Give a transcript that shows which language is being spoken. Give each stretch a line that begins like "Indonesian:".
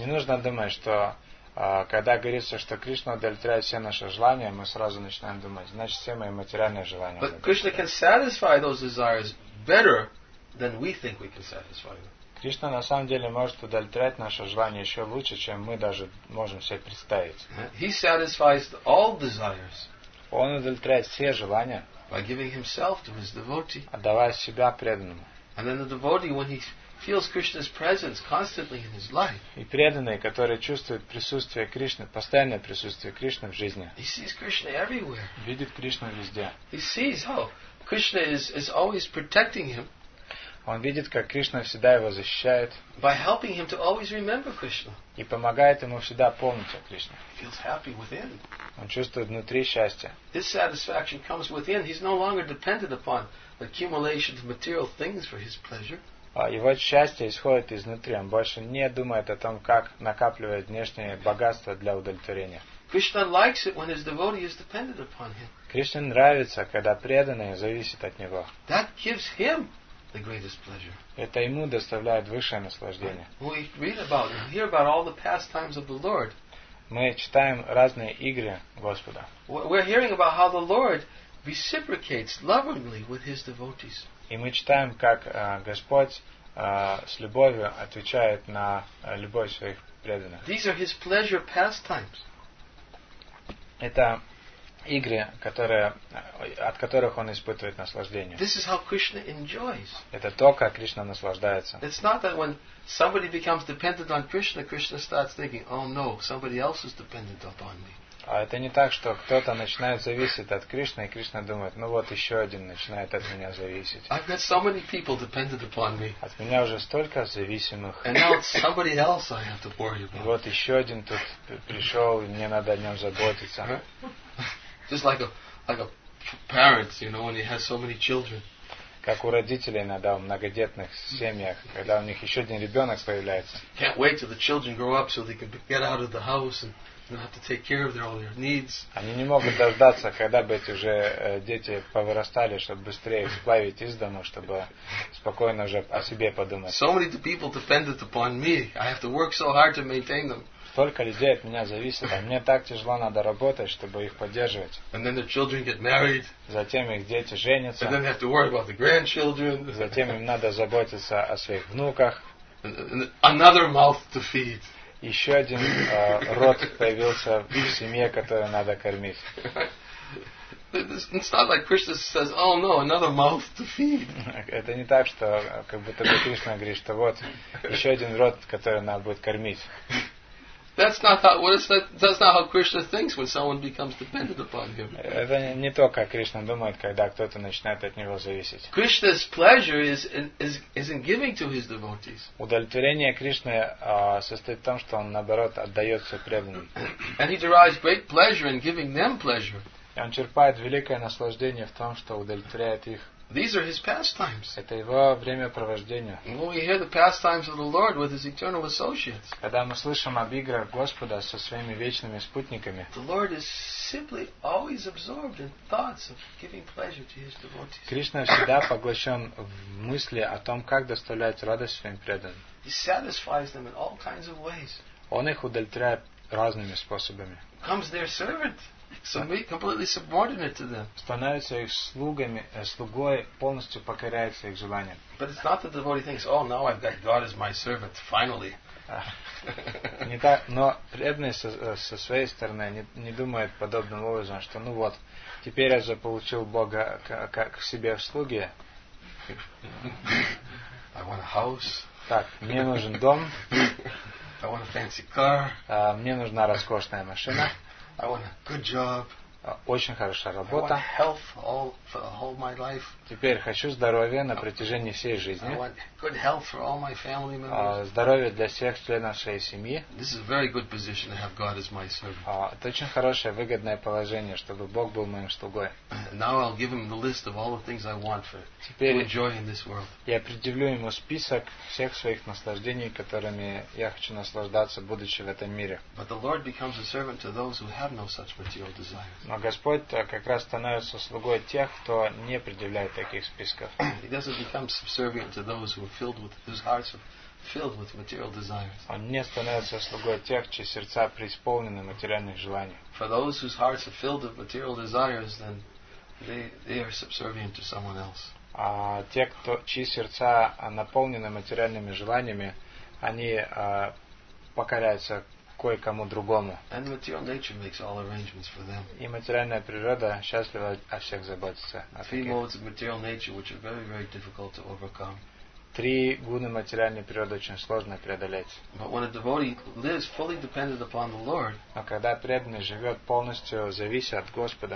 Russian: Не нужно думать, что когда говорится, что Кришна удовлетворяет все наши желания, мы сразу начинаем думать, значит, все мои материальные желания.
English: But Krishna can satisfy those desires better than we think we can satisfy them.
Russian: Кришна на самом деле может удовлетворять наше желание еще лучше, чем мы даже можем себе представить.
English: He satisfies all desires.
Russian: Он удовлетворяет все желания.
English: By giving himself to his devotee.
Russian: Отдавая себя преданному.
English: And then the devotee, when he feels Krishna's presence constantly in his life.
Russian: И преданный, который чувствует присутствие Кришны, постоянное присутствие Кришны в жизни.
English: He sees Krishna everywhere.
Russian: Видит Кришну везде.
English: He sees how Krishna is always protecting him.
Russian: Он видит, как Кришна всегда его защищает.
English: By helping him to always remember Krishna.
Russian: И помогает ему всегда помнить о Кришне.
English: He feels happy within.
Russian: Он чувствует внутри счастье.
English: His satisfaction comes within. He's no longer dependent upon accumulation of material things for his pleasure.
Russian: Его счастье исходит изнутри. Он больше не думает о том, как накапливает внешнее богатство для удовлетворения.
English: Krishna likes it when his devotee is dependent upon him.
Russian: Кришне нравится, когда преданный зависит от него.
English: That gives him the greatest pleasure.
Russian: Это ему доставляет высшее наслаждение.
English: We read about and hear about all the pastimes of the Lord.
Russian: Мы читаем разные игры Господа.
English: We're hearing about how the Lord reciprocates lovingly with his devotees.
Russian: И мы читаем, как Господь с любовью отвечает на любовь своих преданных.
English: These are his pleasure pastimes.
Russian: Это игры, которые, от которых он испытывает наслаждение.
English: This is how Krishna enjoys.
Russian: Это то, как Кришна наслаждается.
English: It's not that when somebody becomes dependent on Krishna, Krishna starts thinking, oh no, somebody else is dependent upon me.
Russian: А это не так, что кто-то начинает зависеть от Кришны, и Кришна думает, ну вот еще один начинает от меня зависеть.
English: I've got so many people dependent upon me.
Russian: От меня уже столько зависимых.
English: And now it's somebody else I have to worry about.
Russian: И вот еще один тут пришел, и мне надо о нем заботиться.
English: Just like a parent, you know, when he has so many children.
Russian: Как у родителей иногда в многодетных семьях, когда у них еще один ребенок появляется.
English: Can't wait till the children grow up so they can get out of the house and have to take care of all their needs.
Russian: Они не могут дождаться, когда бы эти уже дети повырастали, чтобы быстрее сплавить из дома, чтобы спокойно уже о себе подумать.
English: So many people dependent upon me. I have to work so hard to maintain them.
Russian: Столько людей от меня зависит, а мне так тяжело надо работать, чтобы их поддерживать.
English: And then the children get married.
Russian: Затем их дети женятся.
English: And then they have to worry about the grandchildren.
Russian: Затем им надо заботиться о своих внуках.
English: Another mouth to feed.
Russian: Еще один род появился в семье, который надо кормить.
English: It's not like Krishna says, oh no, another mouth to feed.
Russian: Это не так, что как будто бы Кришна говорит, что вот еще один род, который надо будет кормить.
English: That's not how Krishna thinks when someone becomes dependent upon him.
Russian: Это не то, как Кришна думает, когда кто-то начинает от него зависеть.
English: Krishna's pleasure is in giving to his devotees.
Russian: Удовлетворение Кришны состоит в том, что он наоборот отдаётся преданным.
English: And he derives great pleasure in giving them pleasure.
Russian: И он черпает великое наслаждение в том, что удовлетворяет их.
English: These are his pastimes.
Russian: Это его времяпровождение.
English: When we hear the pastimes of the Lord with his eternal associates.
Russian: Когда мы слышим об играх Господа со своими вечными спутниками.
English: The Lord is simply always absorbed in thoughts of giving pleasure to his devotees.
Russian: Кришна всегда поглощен в мысли о том, как доставлять радость своим преданным.
English: He satisfies them in all kinds of ways.
Russian: Он их удовлетворяет разными способами.
English: Comes their servant. So we completely subordinate to them.
Russian: Становится их слугами, слугой, полностью покоряется их желаниям.
English: But it's not that the devotee thinks, oh, now I've got God as my servant, finally.
Russian: Не так, но преданный со своей стороны не думает подобным образом, что ну вот, теперь я заполучил Бога как себе в слуги.
English: I want a house.
Russian: Так, мне нужен дом.
English: I want a fancy car.
Russian: Мне нужна роскошная машина.
English: I want a good job.
Russian: Очень хорошая работа.
English: I want health for all my life.
Russian: Теперь хочу здоровья на протяжении всей жизни.
English: I want good health for all my family members.
Russian: Здоровье для всех членов своей семьи.
English: This is a very good position to have God as my servant.
Russian: Это очень хорошее выгодное положение, чтобы Бог был моим слугой.
English: Now I'll give him the list of all the things I want for to enjoy in this world.
Russian: Я предъявлю ему список всех своих наслаждений, которыми я хочу наслаждаться, будучи в этом мире.
English: But the Lord becomes a servant to those who have no such material desires.
Russian: Но Господь как раз становится слугой тех, кто не предъявляет таких списков.
English: He doesn't become subservient to those who are filled with whose hearts are filled with material desires.
Russian: Он не становится слугой тех, чьи сердца преисполнены материальных желаний.
English: For those whose hearts are filled with material desires, then they are subservient to someone else.
Russian: А те, кто чьи сердца наполнены материальными желаниями, они покоряются кое-кому другому.
English: And material nature makes all arrangements for them.
Russian: И материальная природа счастлива о всех заботиться.
English: Three modes of material nature, which are very, very difficult to overcome.
Russian: Три гуны материальной природы очень сложно преодолеть.
English: But when a devotee lives fully dependent upon the Lord,
Russian: а когда преданный живет полностью зависит от Господа,